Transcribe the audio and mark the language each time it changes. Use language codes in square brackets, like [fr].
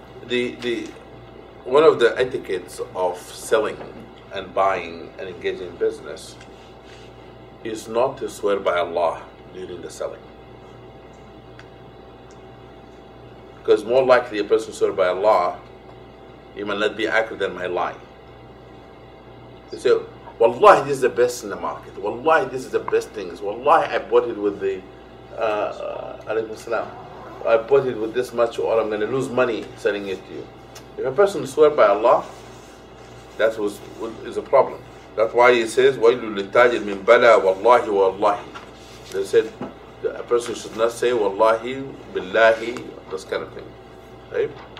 [en] the one of the etiquettes of selling and buying and engaging in business is not to swear by Allah during the selling. Because more likely a person swear by Allah, he might not be accurate than my lie. They say, Wallahi, this is the best in the market. Wallahi, this is the best things. Wallahi, I bought it with the, alaykum salam. I bought it with this much or I'm going to lose money selling it to you. If a person swear by Allah, that was is a problem. That's why he says, [ar] وَيْلُ لِلْتَاجِرْ مِنْ بَلَى وَاللَّهِ وَاللَّهِ. [en] They said, a person should not say, Wallahi, Billahi, this kind of thing, right?